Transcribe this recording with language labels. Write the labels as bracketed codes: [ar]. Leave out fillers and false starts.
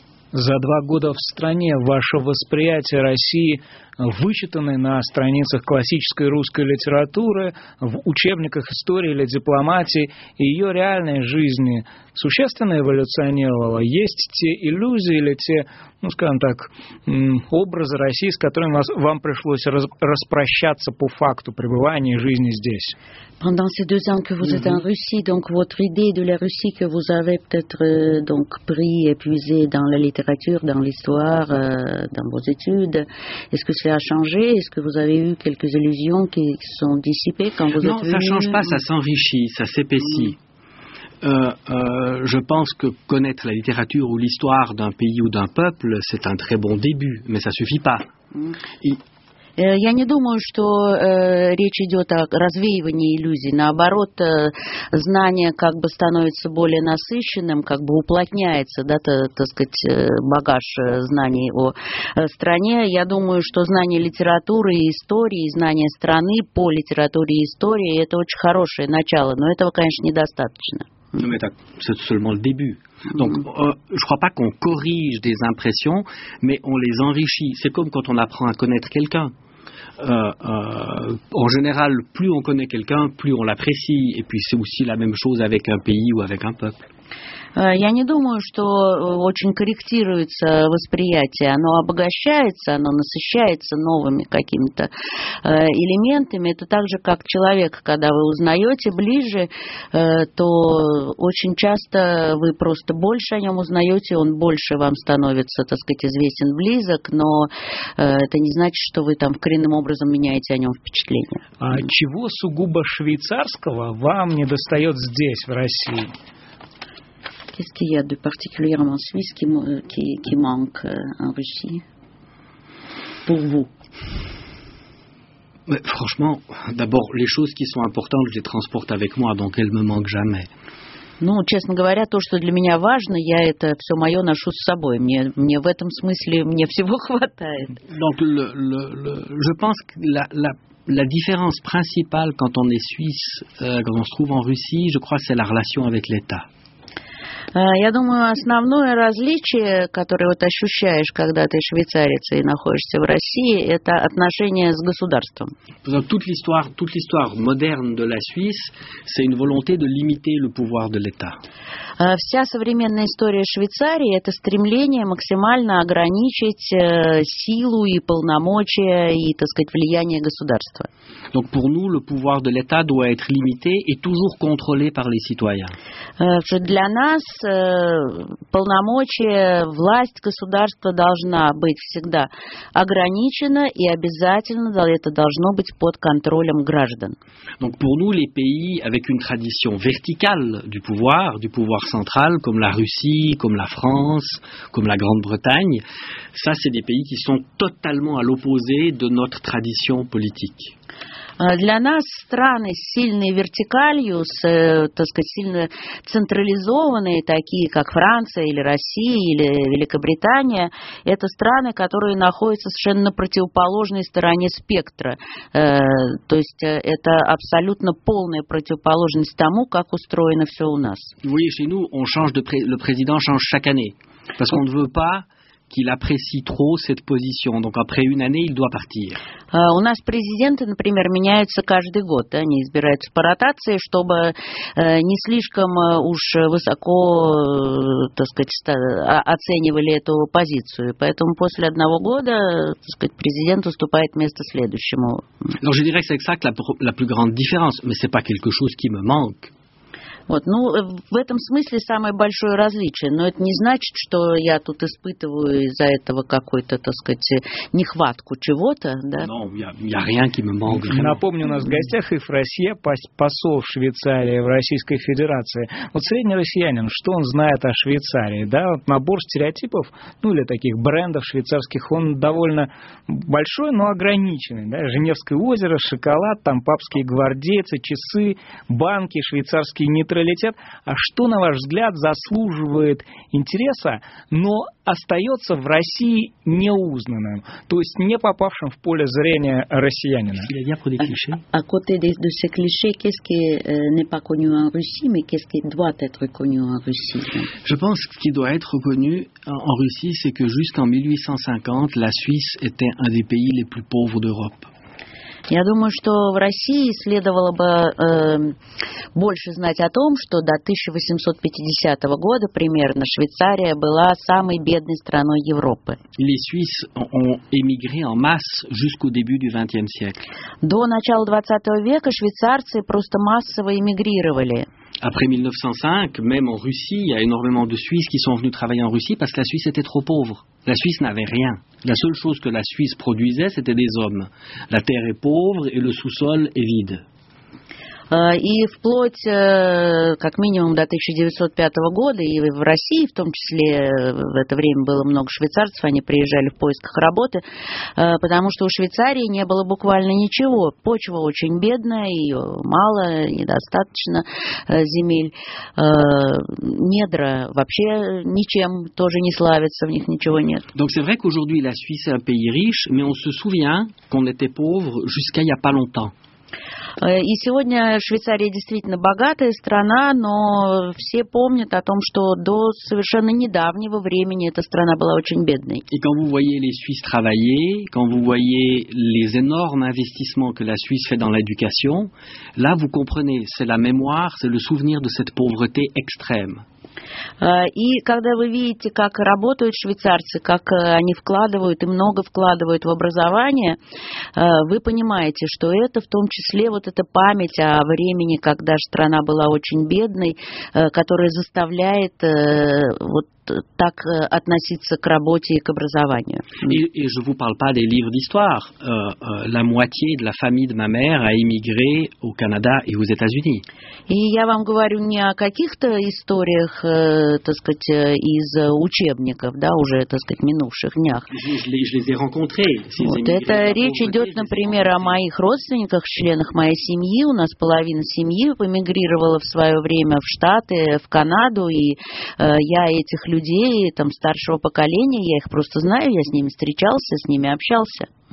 [ru] За два года в стране ваше восприятие России вычитаны на страницах классической русской литературы, в учебниках истории или дипломатии, и ее реальной жизни существенно эволюционировало? Есть те иллюзии или те, ну, скажем так, образы России, с которыми вам пришлось распрощаться по факту пребывания и жизни здесь? [fr] Pendant ces deux ans que vous êtes en Russie, donc votre idée de la Russie que vous avez peut-être donc pris et puisé dans la littérature, dans l'histoire, dans vos études, est-ce que cela a changé? Est-ce que vous avez eu quelques illusions qui sont dissipées quand vous êtes venu? Non, ça change pas, ça s'enrichit, ça s'épaissit. Je pense que connaître la littérature ou l'histoire d'un pays ou d'un peuple, c'est un très bon début, mais ça suffit pas. [ru] Я не думаю, что речь идет о развеивании иллюзий. Наоборот, знание как бы становится более насыщенным, как бы уплотняется, да, так сказать, багаж знаний о стране. Я думаю, что знание литературы и истории, знание страны по литературе и истории – это очень хорошее начало, но этого, конечно, недостаточно. [fr] Non, mais c'est seulement le début. Donc, je ne crois pas qu'on corrige des impressions, mais on les enrichit. C'est comme quand on apprend à connaître quelqu'un. En général, plus on connaît quelqu'un, plus on l'apprécie. Et puis, c'est aussi la même chose avec un pays ou avec un peuple. [ru] Я не думаю, что очень корректируется восприятие. Оно обогащается, оно насыщается новыми какими-то элементами. Это так же, как человек, когда вы узнаете ближе, то очень часто вы просто больше о нем узнаете, он больше вам становится, так сказать, известен, близок, но это не значит, что вы там коренным образом меняете о нем впечатление. А чего сугубо швейцарского вам недостает здесь, в России? [fr] Qu'est-ce qu'il y a de particulièrement suisse qui manque en Russie pour vous? Mais franchement, d'abord, les choses qui sont importantes, je les transporte avec moi, donc elles ne me manquent jamais. [ru] Ну, честно говоря, то, что для меня важно, я это все мое ношу с собой. Мне в этом смысле мне всего хватает. [fr] Donc, je pense que la différence principale quand on est suisse, quand on se trouve en Russie, je crois que c'est la relation avec l'État. [ru] Я думаю, основное различие, которое вот ощущаешь, когда ты швейцарец и находишься в России, это отношение с государством. [fr] Toute l'histoire moderne de la Suisse, c'est une volonté de limiter le pouvoir de l'État. [ru] Вся современная история Швейцарии – это стремление максимально ограничить силу и полномочия и, так сказать, влияние государства. [fr] Donc pour nous, le pouvoir de l'État doit être limité et toujours contrôlé par les citoyens. [ru] Для нас вас полномочия, власть государства должна быть всегда ограничена и обязательно это должно быть под контролем граждан. [fr] Donc pour nous les pays avec une tradition verticale du pouvoir central comme la Russie, comme la France, comme la Grande-Bretagne, ça c'est des pays qui sont totalement à l'opposé de notre tradition politique. [ru] Для нас страны с сильной вертикалью, с, так сказать, сильно централизованные, такие как Франция или Россия или Великобритания, это страны, которые находятся совершенно на противоположной стороне спектра. То есть это абсолютно полная противоположность тому, как устроено все у нас. Вы видите, у нас президент меняется каждый год, потому что мы не хотим... [fr] qu'il apprécie trop cette position. Donc après une année, il doit partir. [ru] У нас президенты, например, меняются каждый год. Они избираются по ротации, чтобы не слишком уж высоко, так сказать, оценивали эту позицию. Поэтому после одного года, так сказать, президент уступает место следующему. [fr] Donc je dirais que c'est ça que la plus grande différence, mais c'est pas quelque chose qui me manque. [ru] Вот, ну, в этом смысле самое большое различие, но это не значит, что я тут испытываю из-за этого какой-то, так сказать, нехватку чего-то, да? Но я [fr] rien qui me manque. [ru] Напомню, у нас в гостях Ефросия, посол Швейцарии в Российской Федерации. Вот средний россиянин, что он знает о Швейцарии, да? Вот набор стереотипов, ну, или таких брендов швейцарских, он довольно большой, но ограниченный, да? Женевское озеро, шоколад, там папские гвардейцы, часы, банки, швейцарские не нейтралитет, а что, на ваш взгляд, заслуживает интереса, но остается в России неузнанным, то есть не попавшим в поле зрения россиянина? [fr] А côté de ces clichés, qu'est-ce qui n'est pas connu en Russie, mais qu'est-ce qui doit être connu en Russie? Je pense que ce qui doit être connu en Russie, c'est que jusqu'en 1850, la Suisse était un des pays les plus pauvres d'Europe. [ru] Я думаю, что в России следовало бы больше знать о том, что до 1850 года примерно Швейцария была самой бедной страной Европы. [fr] Les Suisses ont émigré en masse jusqu'au début du XXe siècle. [ru] До начала 20 века швейцарцы просто массово эмигрировали. [fr] Après 1905, même en Russie, il y a énormément de Suisses qui sont venus travailler en Russie parce que la Suisse était trop pauvre. La Suisse n'avait rien. La seule chose que la Suisse produisait, c'était des hommes. La terre est pauvre et le sous-sol est vide. [ru] И вплоть, как минимум, до 1905 года, и в России в том числе, в это время было много швейцарцев, они приезжали в поисках работы, потому что у Швейцарии не было буквально ничего. Почва очень бедная, ее мало, недостаточно земель. Недра вообще ничем тоже не славятся, в них ничего нет. [fr] Donc c'est vrai qu'aujourd'hui la Suisse est un pays riche, mais on se souvient qu'on était pauvre jusqu'à il n'y a pas longtemps. [ru] И сегодня Швейцария действительно богатая страна, но все помнят о том, что до совершенно недавнего времени эта страна была очень бедной. И когда вы видите [fr] les Suisses travailler, quand vous voyez les énormes investissements que la Suisse fait dans l'éducation, là vous comprenez, c'est la mémoire, c'est le souvenir de cette pauvreté extrême. [ru] И когда вы видите, как работают швейцарцы, как они вкладывают и много вкладывают в образование, вы понимаете, что это в том числе вот эта память о времени, когда страна была очень бедной, которая заставляет вот так относиться к работе и к образованию. [fr] И je vous parle pas des livres d'histoire. La moitié de la famille de ma mère a émigré au Canada et aux États-Unis. [ru] И я вам говорю не о каких-то историях, так сказать, из учебников, да, уже, так сказать, минувших днях. [fr] Je les ai rencontrés. [ru] Вот это речь идет, например, о моих родственниках, членах моей семьи. У нас половина семьи эмигрировала в свое время в Штаты, в Канаду, и я этих людей там старшего поколения, я их просто знаю, я с ними встречался, с ними общался.